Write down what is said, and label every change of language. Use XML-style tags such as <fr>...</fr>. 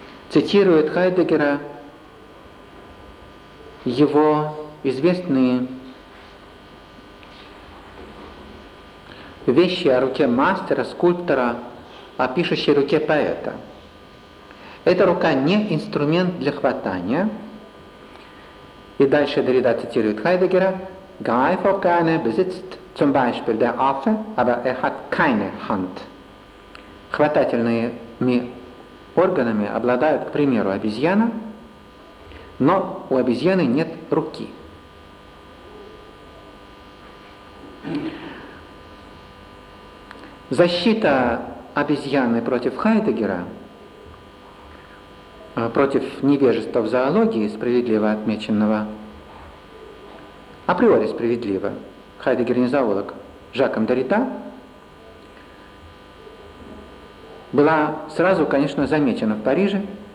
<ru>Цитирует Хайдеггера его известные вещи о руке мастера, скульптора, о пишущей руке поэта. Эта рука не инструмент для хватания. И дальше Деррида цитирует Хайдеггера:</ru> <de>«Greif auch gerne besitzt zum Beispiel der Affe, aber hat keine Hand».</de> <ru>Хватательными органами обладают, к примеру, обезьяна, но у обезьяны нет руки. Защита обезьяны против Хайдеггера, против невежества в зоологии, справедливо отмеченного, априори справедливо, Хайдеггер не зоолог, Жаком Деррида, была сразу, конечно, замечена в Париже.</ru>